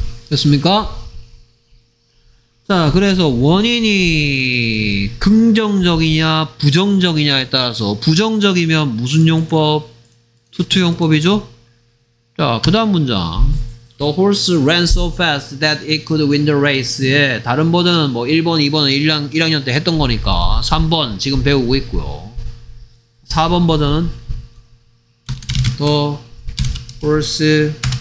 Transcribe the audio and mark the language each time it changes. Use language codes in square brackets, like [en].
[ko] 됐습니까? 자, 그래서 원인이 긍정적이냐 부정적이냐에 따라서 부정적이면 무슨 용법? 투투용법이죠? 자, 그 다음 문장. [en] The horse ran so fast that it could win the race. [ko] 예, 다른 버전은 뭐 1번, 2번은 1학년 때 했던 거니까 3번 지금 배우고 있고요. 4번 버전은 [en] the horse is...